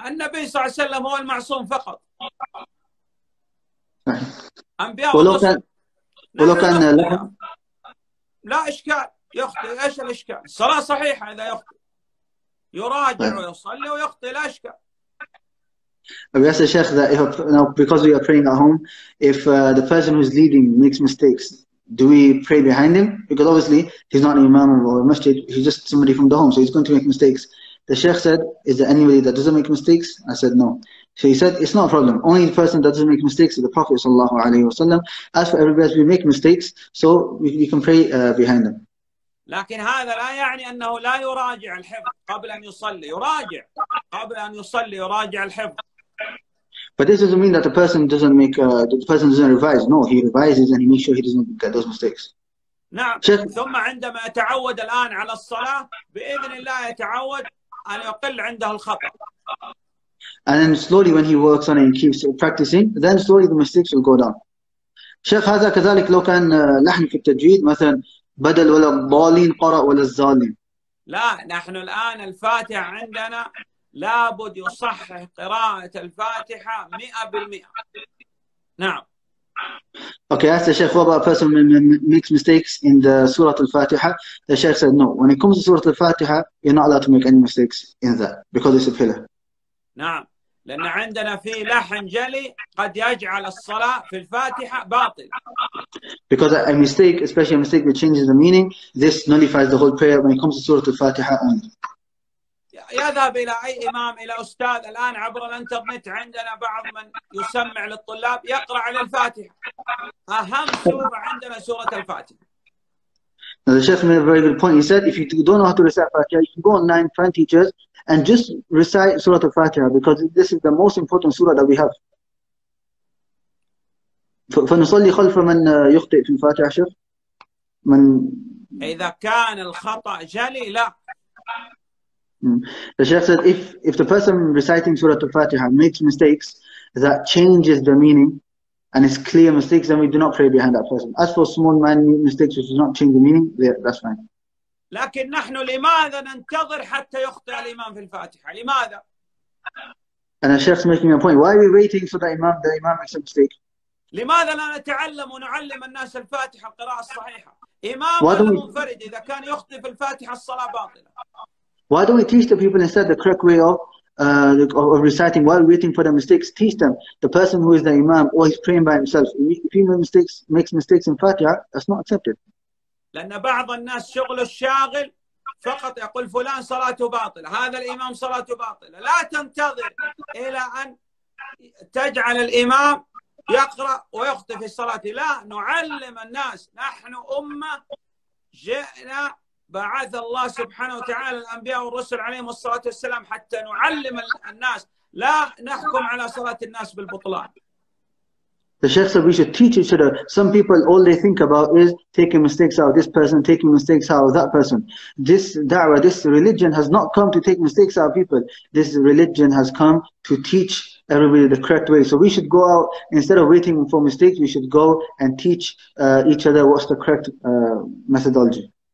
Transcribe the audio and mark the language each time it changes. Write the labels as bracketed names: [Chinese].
[Arabic] النبي صلى الله عليه وسلم هو المعصوم فقط. أنبياء ولو كان لا إشكال يخطئ، إيش الإشكال؟ الصلاة صحيحة إذا يخطئ، يراجع ويصلي ويخطئ، لا إشكال. [English] We asked the Sheikh that if, now because we are praying at home, if the person who is leading makes mistakes, do we pray behind him? Because obviously he's not an imam or a masjid, he's just somebody from the home, so he's going to make mistakes. The Sheikh said, is there anybody that doesn't make mistakes? I said, no. So he said, it's not a problem. Only the person that doesn't make mistakes is the Prophet sallallahu alayhi wa sallam. As for everybody else, we make mistakes, so we can pray behind them. [Arabic] لكن هذا لا يعني أنه لا يراجع الحفظ قبل أن يصلي. يراجع قبل أن يصلي، يراجع الحفظ. [English] But this doesn't mean that the person doesn't make the person doesn't revise. No, he revises and he makes sure he doesn't get those mistakes. [Arabic] نعم. Sheikh. ثم عندما يتعود الآن على الصلاة بإذن الله يتعود أن يقل عنده الخطأ. [English] And then slowly, when he works on it and keeps practicing, then slowly the mistakes will go down. [Arabic] Sheikh, هذا كذلك لو كان لحن في التجويد مثلا بدل ولا الضالين قرأ ولا الظالم. لا، نحن الآن الفاتحة عندنا لابد يصحح قراءة الفاتحة 100%. نعم. [English] Okay, asked the Sheikh, what about a person who makes mistakes in the Surah Al-Fatiha? The Sheikh said, no, when it comes to Surah Al-Fatiha, you're not allowed to make any mistakes in that because it's a filler. [Arabic] نعم، لأن عندنا في لحن جلي قد يجعل الصلاة في الفاتحة باطل. [English] Because a mistake, especially a mistake that changes the meaning, this nullifies the whole prayer when it comes to Surah Al-Fatiha only. [Arabic] يذهب إلى أي إمام، إلى أستاذ، الآن عبر الإنترنت عندنا بعض من يسمع للطلاب يقرأ على الفاتحة. أهم سورة عندنا سورة الفاتحة. [English] Now the Sheikh made a very good point. He said, if you don't know how to recite Fatiha, you can go online, find teachers, and just recite Surah Al-Fatiha, because this is the most important surah that we have. [Arabic] فَنُصَلِّ خَلْفَ مَنْ يُخْطِئْ فِي الْفَاتِحَةِ شَيْخ مَنْ إِذَا كَانَ الْخَطَأْ جَلِي لَا. [English] The Sheikh said, if the person reciting Surah Al-Fatiha makes mistakes that changes the meaning, and it's clear mistakes, then we do not pray behind that person. As for small minor mistakes which does not change the meaning, that's fine. [Arabic] لكن نحن لماذا ننتظر حتى يخطئ الإمام في الفاتحة؟ لماذا؟ [English] And the Sheikh's making a point. Why are we waiting for the Imam makes a mistake? [Arabic] لماذا لا نتعلم ونعلم الناس الفاتحة القراءة الصحيحة؟ إمام المنفرد إذا كان يخطئ في الفاتحة الصلاة باطلة. [English] Why don't we teach the people instead the correct way of reciting while waiting for the mistakes? Teach them the person who is the imam or he's praying by himself. If he makes mistakes in Fatiha, that's not accepted. [Arabic] لأن بعض الناس شغل الشاغل فقط يقول فلان صلاته باطلة، هذا الإمام صلاته باطلة. لا تنتظر إلى أن تجعل الإمام يقرأ ويخطئ في الصلاة. لا، نعلم الناس. نحن أمة جئنا، بعث الله سبحانه وتعالى الأنبياء والرسل عليهم الصلاة والسلام حتى نعلم الناس، لا نحكم على صلاة الناس بالبطلان. [English] The Sheikh said we should teach each other. Some people, all they think about is taking mistakes out of this person, taking mistakes out of that person. This da'wah, this religion has not come to take mistakes out of people. This religion has come to teach everybody the correct way. So we should go out, instead of waiting for mistakes, we should go and teach each other what's the correct methodology.